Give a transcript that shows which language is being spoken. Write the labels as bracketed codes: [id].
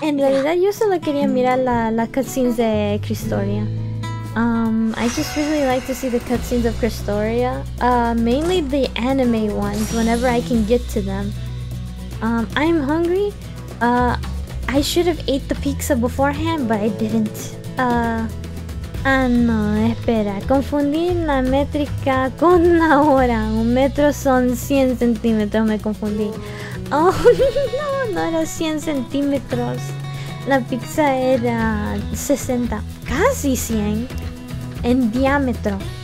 [es] En realidad, yo solo quería mirar las cutscenes de Cristoria. [en] I just really like to see the cutscenes of Cristoria. Mainly the anime ones, whenever I can get to them. I'm hungry. I should have ate the pizza beforehand, but I didn't. [es] No, espera, confundí la métrica con la hora. Un metro son 100 centímetros, me confundí. Oh, no, no era 100 centímetros. La pizza era 60, casi 100 en diámetro.